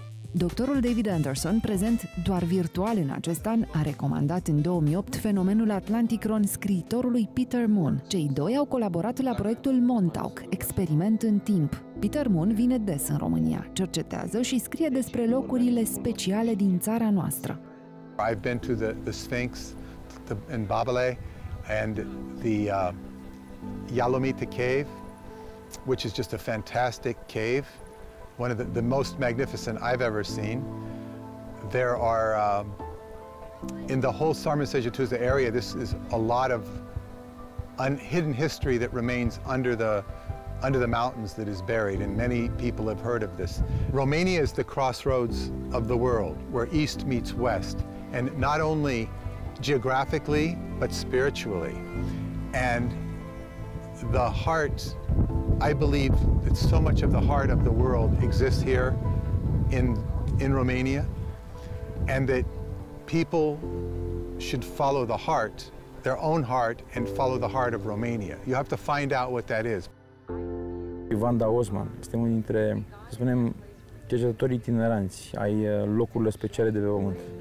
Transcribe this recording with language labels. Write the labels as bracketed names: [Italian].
[Romanian] Doctorul David Anderson, prezent doar virtual în acest an, a recomandat în 2008 fenomenul Atlanticron scriitorului Peter Moon. Cei doi au colaborat la proiectul Montauk, experiment în timp. Peter Moon vine des în România, cercetează și scrie despre locurile speciale din țara noastră. [English] I've been to the Sphinx in Babylon and the Yalomita cave, which is just a fantastic cave. One of the most magnificent I've ever seen. There are, in the whole Sarmizegetusa area, this is a lot of hidden history that remains under the mountains that is buried, and many people have heard of this. Romania is the crossroads of the world, where East meets West, and not only geographically, but spiritually. And the heart, I believe that so much of the heart of the world exists here in Romania, and that people should follow the heart, their own heart, and follow the heart of Romania. You have to find out what that is. [Romanian] Vanda Osman este unul dintre, să spunem, cercetătorii itineranți ai locurilor speciale de pe pământ.